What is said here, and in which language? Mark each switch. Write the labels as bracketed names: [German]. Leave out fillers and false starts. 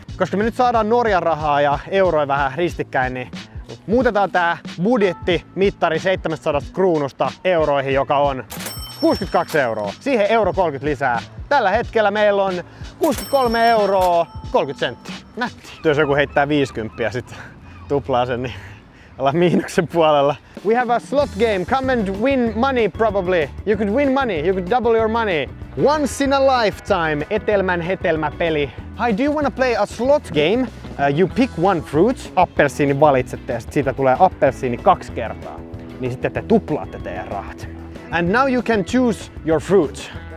[Finnish] Koska me nyt saadaan Norjan rahaa ja euroja vähän ristikkäin, niin muutetaan tää budjettimittari 700 kruunusta euroihin, joka on 62 euroa. Siihen euro 30 lisää. Tällä hetkellä meillä on 63 euroa 30 senttiä. Nätti. Jos joku heittää 50 ja sit tuplaa sen, niin ollaan miinuksen puolella. [English] We have a slot game. Come and win money probably. You could win money. You could double your money. Once in a lifetime. [Finnish] Etelmän hetelmäpeli. [English] Hi, do you want to play a slot game? You pick one fruit. [Finnish] Appelsiini valitsette ja sit siitä tulee appelsiini 2 kertaa. Niin sitten te tuplaatte teidän rahat. [English] And now you can choose your fruit.